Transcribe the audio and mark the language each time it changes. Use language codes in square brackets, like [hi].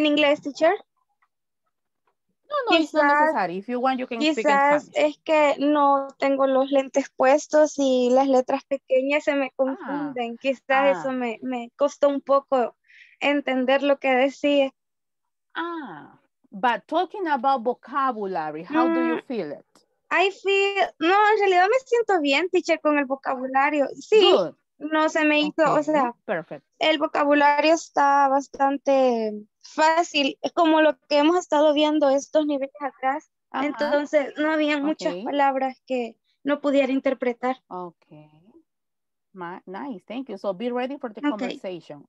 [es] ¿En inglés, teacher? No, no, quizás, no es necesario. [en] If you want, you can [es] quizás [en] speak in Spanish. [es] Es que no tengo los lentes puestos y las letras pequeñas se me confunden. Quizás eso me costó un poco entender lo que decía. [en] But talking about vocabulary, how do you feel it? I feel, [es] no, en realidad me siento bien, teacher, con el vocabulario. Sí, no se me hizo, o sea, [en] perfect. [es] El vocabulario está bastante fácil. Es como lo que hemos estado viendo estos niveles atrás. Uh-huh. Entonces, no había muchas palabras que no pudiera interpretar. [en] Okay. Nice, thank you. So be ready for the conversation.